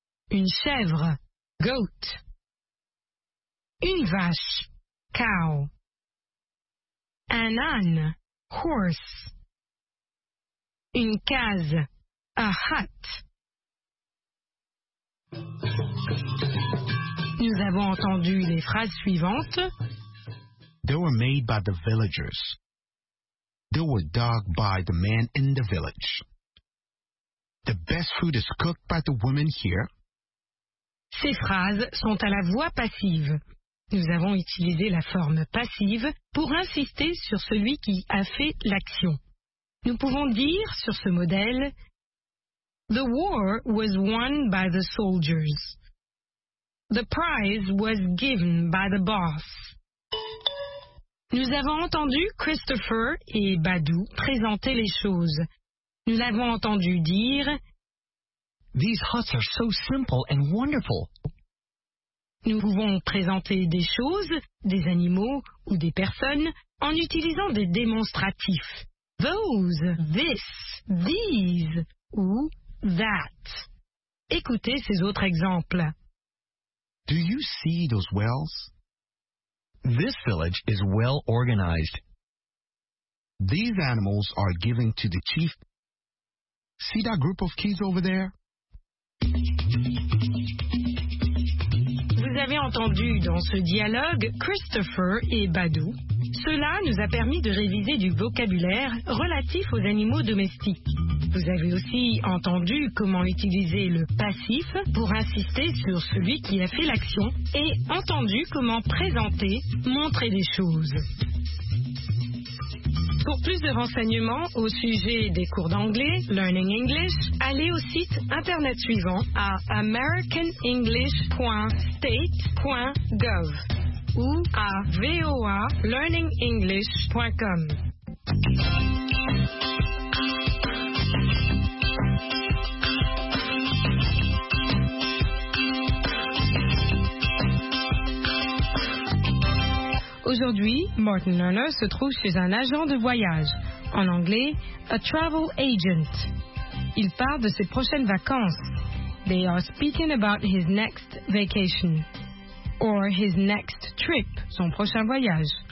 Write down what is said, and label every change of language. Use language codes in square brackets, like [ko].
[fr] Une chèvre, goat. Une vache, cow. Un âne, horse. Une case, a hut. Nous avons entendu les phrases suivantes. [en] They were made by the villagers. They were dug by the man in the village. The best food is cooked by the woman here. [fr] Ces phrases sont à la voix passive. Nous avons utilisé la forme passive pour insister sur celui qui a fait l'action. Nous pouvons dire sur ce modèle, [en] The war was won by the soldiers. The prize was given by the boss. [fr] Nous avons entendu Christopher et Badou présenter les choses. Nous l'avons entendu dire [en] These huts are so simple and wonderful. [fr] Nous pouvons présenter des choses, des animaux ou des personnes en utilisant des démonstratifs. [en] Those, this, these ou that. [fr] Écoutez ces autres exemples. [en] Do you see those wells? This village is well organized. These animals are given to the chief. See that group of kids over there? [fr] Vous avez entendu dans ce dialogue Christopher et Badou. Cela nous a permis de réviser du vocabulaire relatif aux animaux domestiques. Vous avez aussi entendu comment utiliser le passif pour insister sur celui qui a fait l'action et entendu comment présenter, montrer des choses. Pour plus de renseignements au sujet des cours d'anglais, Learning English, allez au site internet suivant à americanenglish.state.gov ou à voalearningenglish.com. Aujourd'hui, Martin Lerner se trouve chez un agent de voyage, en anglais, a travel agent. Il parle de ses prochaines vacances. [en] They are speaking about his next vacation, or his next trip, [fr] son prochain voyage.